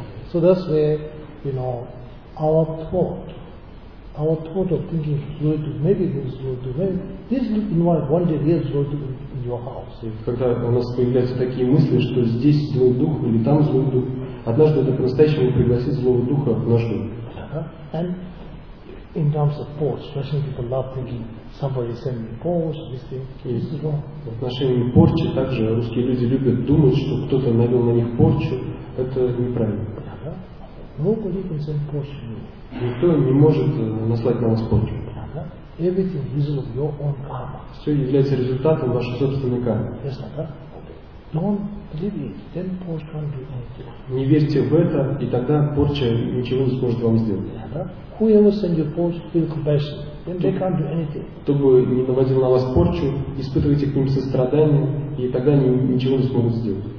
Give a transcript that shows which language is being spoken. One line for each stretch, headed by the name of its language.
English: So that's where, you know, our thought of thinking Zodhu, maybe this Zodhu, maybe this will invite one day real Zodhu in your house.
Russian: Когда у нас появляются такие мысли, что здесь злой дух или там злой дух, однажды это по-настоящему пригласить злого духа в наш дом.
English: And in terms of porch, Russian people love thinking somebody sent me porch, this thing, this is wrong.
Russian: В отношении порчи также русские люди любят думать, что кто-то навел на них порчу, это неправильно.
English: Nobody can send porch to me.
Russian: Никто не может наслать на вас порчу.
English: Everything is of your own karma.
Russian: Все является результатом вашей собственной кармы.
English: Yes, don't believe it, then porch won't do anything.
Russian: Не верьте в это, и тогда порча ничего не сможет вам сделать.
English: Whoever send you porch, feel compassion, then they can't do anything.
Russian: Кто бы не наводил на вас порчу, испытывайте к ним сострадание, и тогда они ничего не смогут сделать.